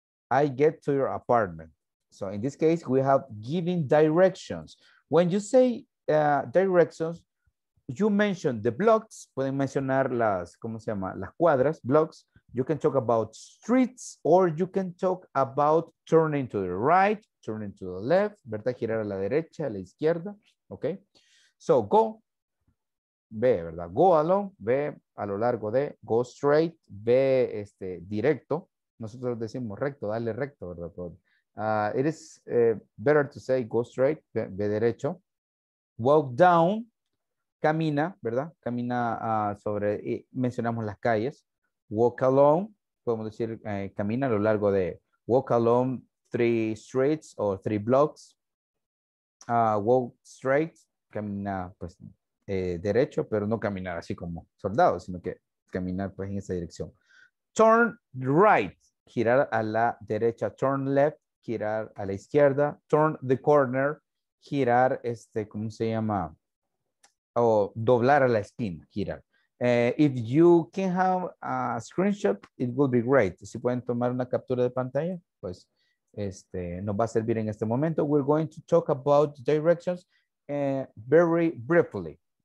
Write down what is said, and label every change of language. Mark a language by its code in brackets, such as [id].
[en] I get to your apartment. So in this case, we have giving directions. When you say directions, you mention the blocks, [es] pueden mencionar las, ¿cómo se llama? Las cuadras, [en] blocks. You can talk about streets, or you can talk about turning to the right, turning to the left, ¿verdad? [es] Girar a la derecha, a la izquierda, ¿ok? So go, ve, ¿verdad? [en] Go along, [es] ve a lo largo de, [en] go straight, [es] ve este, directo. Nosotros decimos recto, dale recto, ¿verdad? [en] But, it is better to say go straight, [es] ve derecho. [en] Walk down, [es] camina, ¿verdad? Camina sobre, y mencionamos las calles. [en] Walk along, [es] podemos decir camina a lo largo de, [en] walk along three streets [es] o [en] three blocks. Walk straight, [es] camina pues derecho, pero no caminar así como soldado, sino que caminar pues en esa dirección. [en] Turn right, [es] girar a la derecha. [en] Turn left, [es] girar a la izquierda. [en] Turn the corner, [es] girar este, ¿cómo se llama? O doblar a la esquina, girar. [en] If you can have a screenshot, it will be great. [es] Si pueden tomar una captura de pantalla, pues este, nos va a servir en este momento. [en] We're going to talk about directions very briefly.